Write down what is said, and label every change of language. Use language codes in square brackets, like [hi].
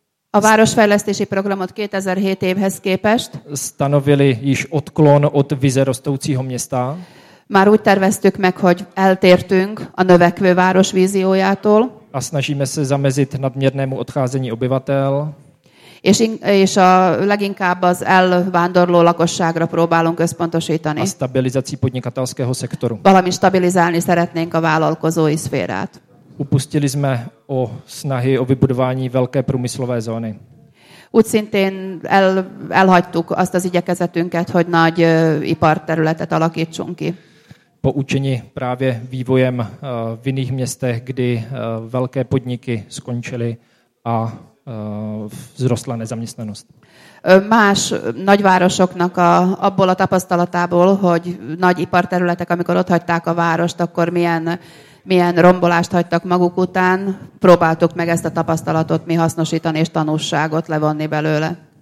[hu] A városfejlesztési programot 2007 évhez képest [cs] stanovili již odklon od vize rostoucího města. [hu] Már úgy terveztük meg, hogy eltértünk a növekvő város víziójától. [cs] A snažíme se zamezit nadměrnému odcházení obyvatel. [hu] És a leginkább az elvándorló lakosságra próbálunk összpontosítani. [cs] A stabilizací podnikatelského sektoru. [hu] Valami stabilizálni szeretnénk a vállalkozói szférát. [cs] Upustili jsme o snahy o vybudování velké průmyslové zóny. [hu] Úgy szintén elhagytuk azt az igyekezetünket, hogy nagy iparterületet alakítsunk ki. [cs] Poučeni právě vývojem v jiných městech, kdy velké podniky skončily a vzrostla nezaměstnanost. [hu] Más nagyvárosoknak abból a tapasztalatából, hogy nagy iparterületek, amikor ott hagyták a várost, akkor milyen rombolást hagytak maguk után, próbáltuk meg ezt a tapasztalatot mi hasznosítani és tanúságot levonni belőle.